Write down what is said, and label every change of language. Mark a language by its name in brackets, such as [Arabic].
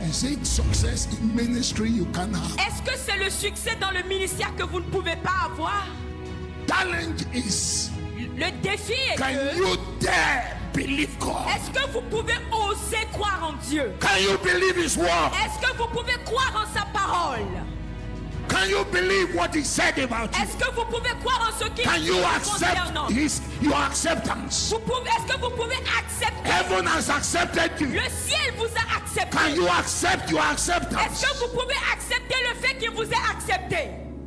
[English] Is it success in ministry you can have? [French] Est-ce que c'est le succès dans le ministère que vous ne pouvez pas avoir? [English] Challenge is, [French] le défi est, [English] can [French] que, [English] you dare believe God? [French] Est-ce que vous pouvez oser croire en Dieu? [English] Can you believe his word? [French] Est-ce que vous pouvez croire en sa parole? [English] Can you believe what he said about you? [French] Est-ce que vous pouvez croire en ce qu'il [English] Can you accept his, your acceptance? [French] Vous pouvez, est-ce que vous pouvez accepter? [English] Heaven has accepted you. [French] Le ciel vous a accepté. [English] Can you accept your acceptance? [French] Est-ce que vous pouvez accepter le fait qu'il vous ait accepté?